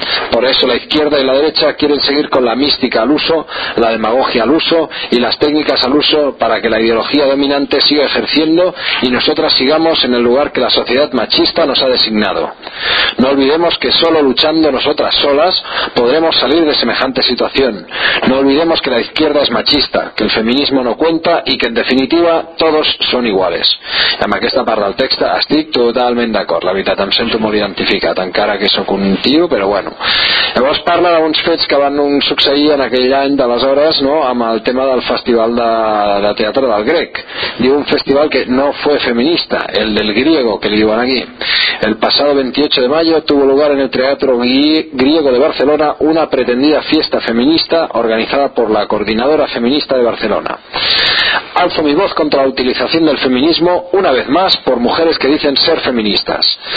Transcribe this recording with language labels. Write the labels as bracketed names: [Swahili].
[Spanish] Por eso la izquierda y la derecha quieren seguir con la mística al uso, la demagogia al uso y las técnicas al uso para que la ideología dominante siga ejerciendo y nosotras sigamos en el lugar que la sociedad machista nos ha designado. No olvidemos que solo luchando nosotras solas podremos salir de semejante situación. No olvidemos que la izquierda es machista, que el feminismo no cuenta y que en definitiva todos son iguales. [Catalan] I amb aquesta part del text estic totalment d'acord. La veritat, em sento molt identificat, encara que sóc un tio, però bueno. Llavors parla d'uns fets que van succeir en aquell any d'aleshores, no?, amb el tema del festival de teatre del Grec. Diu, [Spanish] un festival que no fue feminista, el del Griego, [Catalan] que li diuen aquí. [Spanish] El pasado 28 de mayo tuvo lugar en el Teatro Griego de Barcelona una pretendida fiesta feminista organizada por la Coordinadora Feminista de Barcelona. Alzo mi voz contra la utilización del feminismo, una vez más, por mujeres que dicen ser feministas.